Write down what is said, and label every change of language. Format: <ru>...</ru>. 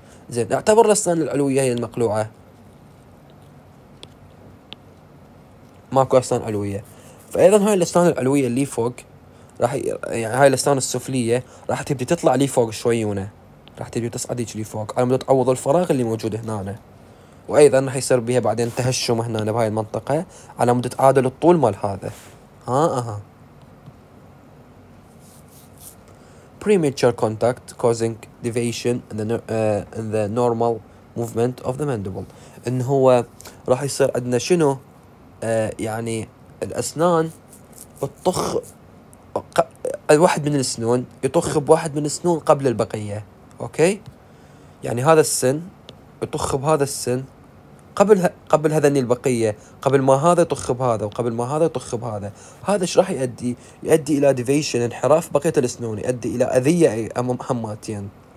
<ar>زين اعتبر الاسنان العلويه هي المقلوعه، ماكو اسنان علويه، فايضا هاي الاسنان العلويه اللي فوق راح يعني هاي الاسنان السفليه راح تبدي تطلع لي فوق شويونه، راح تبدي تصعد لي فوق على مود تعوض الفراغ اللي موجود هنا، وايضا راح يصير بيها بعدين تهشم هنا بهاي المنطقه على مود تعادل الطول مال هذا.</ar> <en>premature contact causing deviation in the normal movement of the mandible.</en> <ar>ان هو راح يصير عندنا شنو يعني الاسنان بتطخ واحد من السنون، يطخ بواحد من السنون قبل البقيه. اوكي يعني هذا السن يطخ بهذا السن قبل هذني البقيه، قبل ما هذا يطخ بهذا وقبل ما هذا يطخ بهذا، هذا ايش راح يؤدي؟ يؤدي الى ديفيشن، انحراف بقيه الاسنون، يؤدي الى اذيه امام حماتين.</ar>